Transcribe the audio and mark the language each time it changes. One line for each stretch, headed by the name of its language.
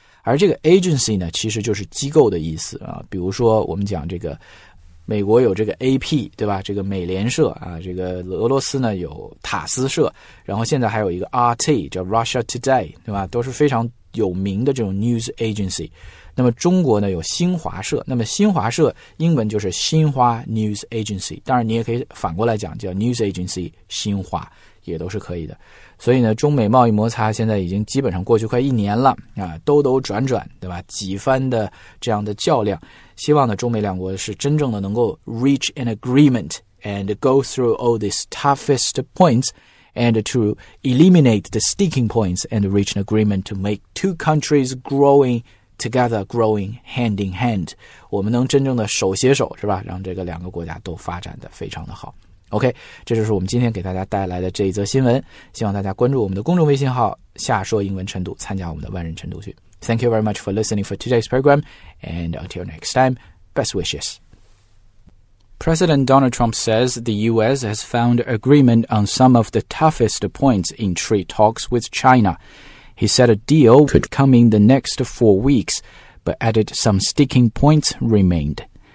Chinese: 而这个 agency 呢，其实就是机构的意思啊。比如说我们讲这个美国有这个 AP, 对吧，这个美联社啊，这个俄罗斯呢有塔斯社，然后现在还有一个 RT, 叫 Russia Today, 对吧，都是非常有名的这种 news agency。那么中国呢有新华社，那么新华社英文就是新华 news agency, 当然你也可以反过来讲叫 news agency 新华，也都是可以的。所以呢，中美贸易摩擦现在已经基本上过去快一年了啊，兜兜转转，对吧，几番的这样的较量，希望呢中美两国是真正的能够
English: reach an agreement and go through all these toughest pointsand to eliminate the sticking points and reach an agreement to make two countries growing together, growing hand in hand.
Chinese: 我们能真正的手携手，是吧，让这个两个国家都发展得非常的好。 OK, 这就是我们今天给大家带来的这一则新闻。希望大家关注我们的公众微信号下说英文晨读，参加我们的万人晨读群。
English: Thank you very much for listening for today's program, and until next time, best wishes. President Donald Trump says the U.S. has found agreement on some of the toughest points in trade talks with China. He said a deal could come in the next 4 weeks, but added some sticking points remained.